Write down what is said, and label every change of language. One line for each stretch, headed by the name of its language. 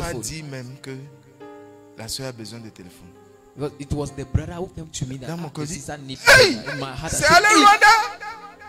French: Le frère m'a dit même que la sœur a besoin de téléphone.
English: Because it was the brother who came to me that my sister needs. Hey, in my heart,
French: c'est allé loin là.